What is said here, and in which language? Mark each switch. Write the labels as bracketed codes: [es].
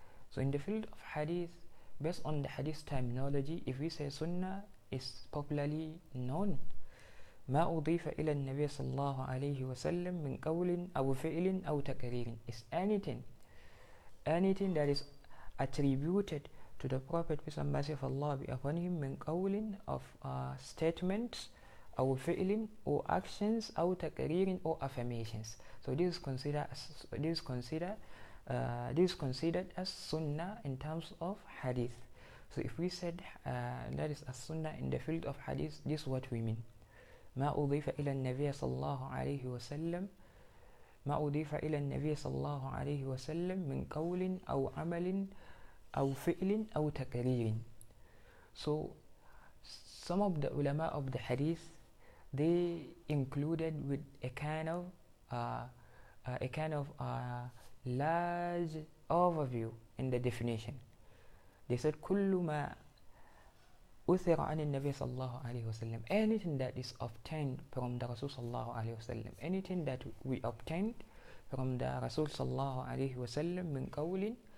[en] So in the field of hadith, based on the hadith terminology, if we say sunnah is popularly known, [ar] ما أضيف إلى النبي صلى الله عليه وسلم من قول أو فعل أو تكرير, [en] is anything that is attributed to the Prophet peace and mercy of Allah be upon him, [ar] من قول [en] of statements [ar] أو فعل أو [en] actions [ar] أو تكرير أو [en] affirmations. So this is considered as sunnah in terms of hadith. So if we said that is a sunnah in the field of hadith, this is what we mean. [ar] ما أضيف إلى النبي صلى الله عليه وسلم ما أضيف إلى النبي صلى الله عليه وسلم من قول أو عمل أو فعل أو تكرير. [en] So some of the ulama of the hadith, they included with a kind of large overview in the definition. They said [ar] كل ما أثر عن النبي صلى الله عليه وسلم, [en] anything that is obtained from the Rasul صلى الله عليه وسلم, anything that we obtained from the Rasul صلى الله عليه وسلم [ar] من قول,